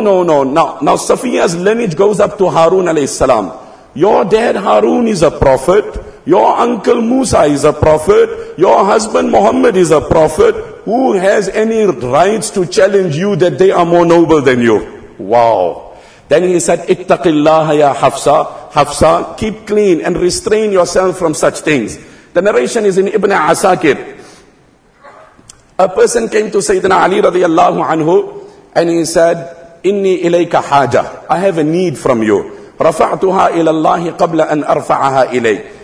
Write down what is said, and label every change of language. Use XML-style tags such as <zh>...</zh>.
<en>Now Safiya's lineage goes up to Harun alayhi salam. Your dad Harun is a prophet. Your uncle Musa is a prophet. Your husband Muhammad is a prophet. Who has any rights to challenge you that they are more noble than you? Wow. Then he said,</en> <ar>اتَّقِ اللَّهَ يَا حَفْصَى.</ar> <en>Hafsa, keep clean and restrain yourself from such things. The narration is in Ibn Asakir. A person came to Sayyidina Ali radiallahu anhu and he said,</en> <ar>Inni ilayka haja.</ar> <en>I have a need from you.</en> <ar>Rafa'tuha ila Allahi qabla an arfa'aha ilay.</ar>